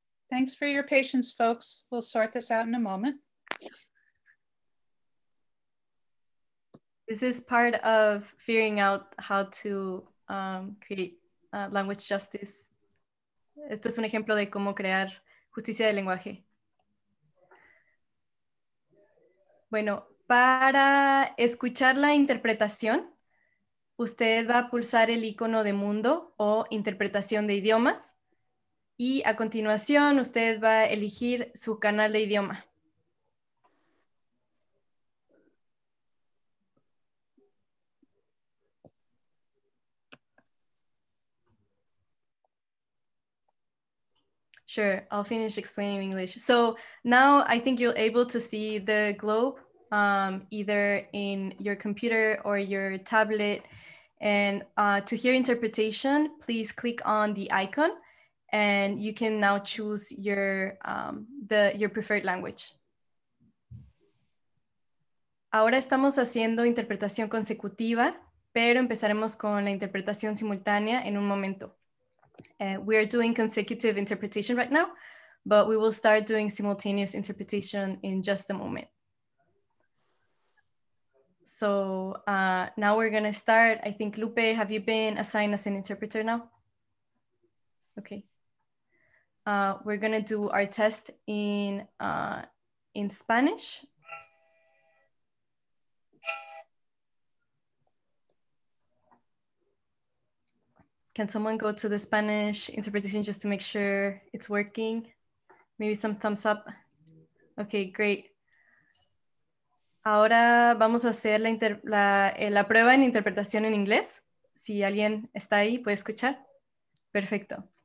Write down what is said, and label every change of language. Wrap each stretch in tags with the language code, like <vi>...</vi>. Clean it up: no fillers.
<en>Thanks for your patience, folks. We'll sort this out in a moment. This is part of figuring out how to create language justice.</en> <es>Esto es un ejemplo de cómo crear justicia de lenguaje. Bueno, para escuchar la interpretación, usted va a pulsar el icono de mundo o interpretación de idiomas. Y a continuación, usted va a elegir su canal de idioma.</es> <en>Sure, I'll finish explaining English. So now I think you're able to see the globe either in your computer or your tablet. And to hear interpretation, please click on the icon. And you can now choose your preferred language.</en> <es>Ahora estamos haciendo interpretación consecutiva, pero empezaremos con la interpretación simultánea en un momento.</es> <en>We are doing consecutive interpretation right now, but we will start doing simultaneous interpretation in just a moment. So now we're gonna start. I think, Lupe, have you been assigned as an interpreter now? Okay. We're going to do our test in Spanish. Can someone go to the Spanish interpretation just to make sure it's working? Maybe some thumbs up. Okay, great.</en> <es>Ahora vamos a hacer la prueba en interpretación en inglés. Si alguien está ahí, puede escuchar. Perfecto.</es>